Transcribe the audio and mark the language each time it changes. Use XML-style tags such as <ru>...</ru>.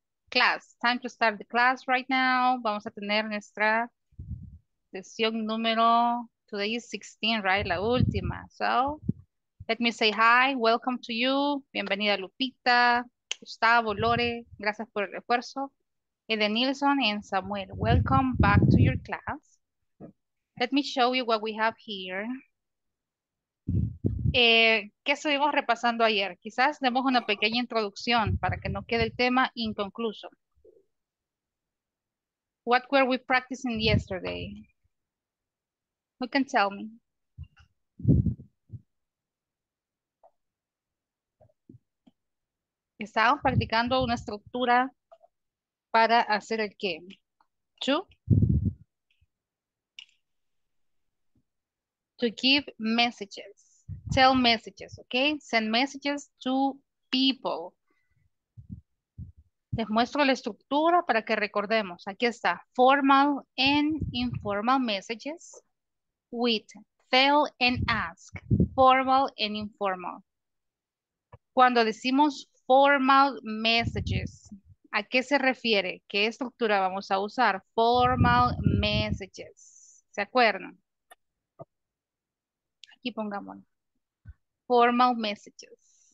<en>Class, time to start the class right now.</en> <es>Vamos a tener nuestra sesión número,</es> <en>today is 16, right?</en> <es>La última.</es> <en>So, let me say hi, welcome to you.</en> <es>Bienvenida Lupita, Gustavo, Lore, gracias por el refuerzo.</es> <en>Edenilson and Samuel, welcome back to your class. Let me show you what we have here.</en> <es>¿Qué estuvimos repasando ayer? Quizás demos una pequeña introducción para que no quede el tema inconcluso.</es> <en>What were we practicing yesterday? Who can tell me?</en> <es>Estábamos practicando una estructura para hacer el qué.</es> <en>To give messages. Tell messages, okay? Send messages to people.</en> <es>Les muestro la estructura para que recordemos. Aquí está.</es> <en>Formal and informal messages with tell and ask. Formal and informal.</en> <es>Cuando decimos formal messages, ¿a qué se refiere? ¿Qué estructura vamos a usar? Formal messages. ¿Se acuerdan? Aquí pongámoslo. Formal messages.</es>